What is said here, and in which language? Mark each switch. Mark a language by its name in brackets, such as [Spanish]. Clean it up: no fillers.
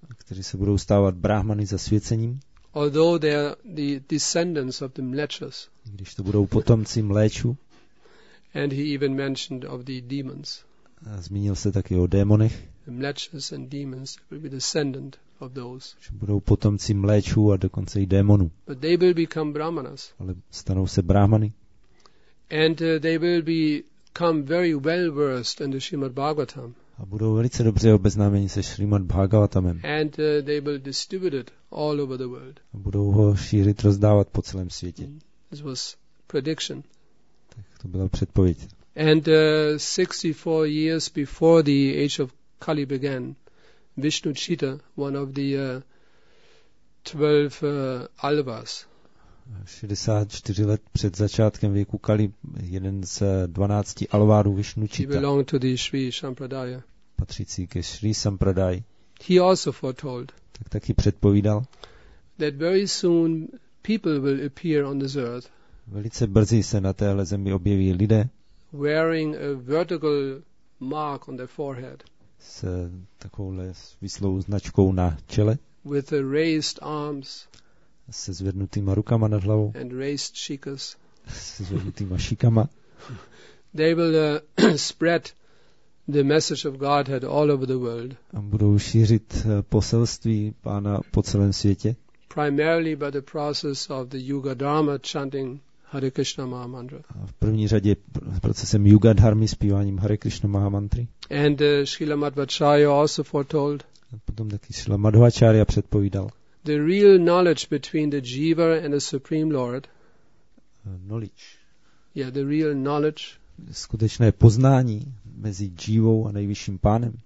[Czech] Kteří se budou stávat brahmany zasvěcením. [English] Although they are the descendants of the mlečas. [Czech] Když to budou potomci mléčů. [English] And he even mentioned of the demons. [Czech] A zmínil se taky o démonech. [English] The mlečas and demons will be descendant of those. [Czech] Že budou potomci mléčů a dokonce i démonů. [English] But they will become brahmanas. [Czech] Ale stanou se brahmany. [English] And they will become very well versed in the Srimad Bhagavatam. [Czech] A budou velice dobře obeznámeni se Srimad Bhagavatamem. [English] And they will distribute it all over the world. [Czech] A budou ho šířit, rozdávat po celém světě. [English] This was prediction. [Czech] Tak to byla předpověď. [English] And 64 years before the age of Kali began, Vishnu Chita, one of the 12 alvas. [Czech] 64 let před začátkem věku Kali, jeden z 12 alvarů Vishnu Chita. [English] He belonged to the Sri Sampradaya. [Czech] Patřící ke Sri Sampradaya. [English] He also foretold. [Czech] Tak taky předpovídal. [English] That very soon people will appear on this earth. [Czech] Velice brzy se na téhle zemi objeví lidé. [English] Wearing a vertical mark on their forehead. [Czech] S takovouhle vyslou značkou na čele. [English] With a raised arms. [Czech] Se zvednutýma rukama nad hlavou. [English] And raised shikas. [Czech] Se zvednutýma šikama. [English] They will spread the message of Godhead all over the world. [Czech] A budou šířit poselství Pána po celém světě. [English] Primarily by the process of the Yuga Dharma chanting Hare Krishna Maha Mantra. [Czech] A v první řadě procesem Yuga Dharmy zpíváním Hare Krishna Maha Mantry. [English] And Srila Madhvacharya also foretold. [Czech] A potom taky Srila Madhvacharya předpovídal. [English] The real knowledge between the Jiva and the Supreme Lord. Knowledge. Yeah, the real knowledge. [Czech] Skutečné poznání mezi Jivou a nejvyšším pánem.